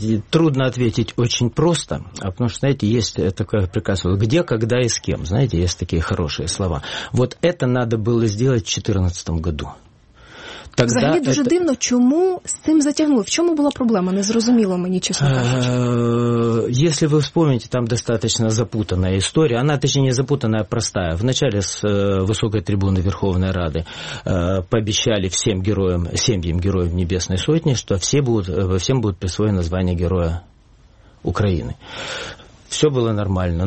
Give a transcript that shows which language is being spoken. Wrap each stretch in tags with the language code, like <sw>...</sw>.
<ru>Трудно ответить очень просто, потому что, знаете, есть такое приказывание, где, когда и с кем, знаете, есть такие хорошие слова. Вот это надо было сделать в 2014 году. Тогда взагалі это...</ru> <uk>дуже дивно, чому з цим затягнули? В чому була проблема? Не зрозуміло мені, чесно кажучи.</uk> <ru>Если вы вспомните, там достаточно запутанная история. Она, точнее, не запутанная, а простая. Вначале с высокой трибуны Верховной Рады пообещали всем героям, семьям героев Небесной Сотни, что всем будут присвоено звание Героя Украины. Все было нормально.</ru>